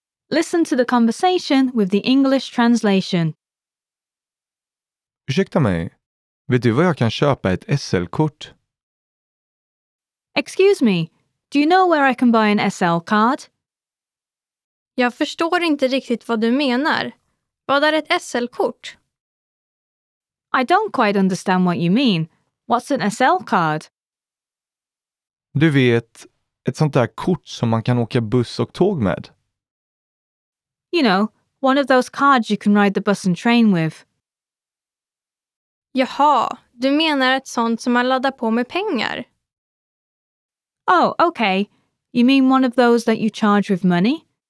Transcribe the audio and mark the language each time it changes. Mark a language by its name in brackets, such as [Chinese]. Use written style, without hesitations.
[English] Listen to the conversation with the English translation. [Swedish] Ursäkta mig. Vet du vad jag kan köpa ett SL-kort? [English] Excuse me. Do you know where I can buy an SL card? [Swedish] Jag förstår inte riktigt vad du menar. Vad är ett SL-kort? [English] I don't quite understand what you mean. What's an SL card? [Swedish] Du vet, ett sånt där kort som man kan åka buss och tåg med. [English] You know, one of those cards you can ride the bus and train with. [Swedish] Jaha, du menar ett sånt som man laddar på med pengar. [English] Oh, okay. You mean one of those that you charge with money?